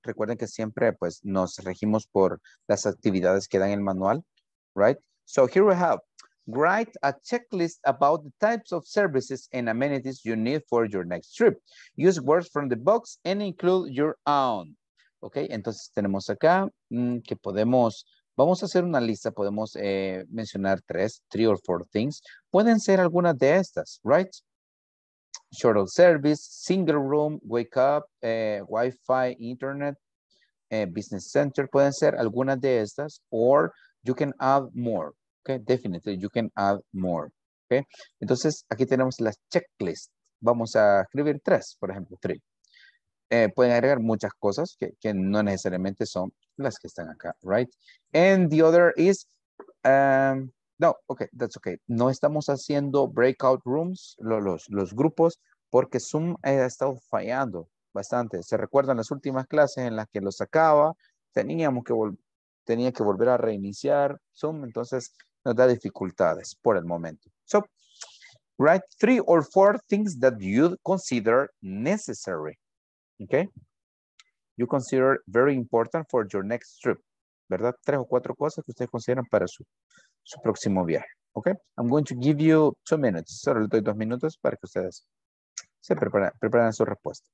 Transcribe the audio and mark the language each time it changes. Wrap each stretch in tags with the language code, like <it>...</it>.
<es>Recuerden que siempre pues nos regimos por las actividades que dan el manual, right?</es> <en>So here we have, write a checklist about the types of services and amenities you need for your next trip. Use words from the box and include your own.</en> <es>Okay, entonces tenemos acá que podemos... Vamos a hacer una lista, podemos mencionar</es> <en>three or four things.</en> <es>Pueden ser algunas de estas, right? Shuttle service, single room, wake up, Wi-Fi, internet, business center. Pueden ser algunas de estas,</es> <en>or you can add more. Okay, definitely, you can add more. Okay,</en> <es>entonces aquí tenemos la checklist. Vamos a escribir tres, por ejemplo, three. Pueden agregar muchas cosas que no necesariamente son las que están acá, right?</es> <en>And the other is, no, okay, that's okay.</en> <es>No estamos haciendo breakout rooms, los grupos, porque Zoom ha estado fallando bastante. ¿Se recuerdan las últimas clases en las que lo sacaba? Tenía que volver a reiniciar Zoom, entonces nos da dificultades por el momento.</es> <en>So, write three or four things that you consider necessary. Okay, you consider very important for your next trip, ¿verdad?</en> <es>Tres o cuatro cosas que ustedes consideran para su próximo viaje.</es> <en>Okay, I'm going to give you 2 minutes.</en> <es>Solo le doy 2 minutos para que ustedes se preparen su respuesta.</es>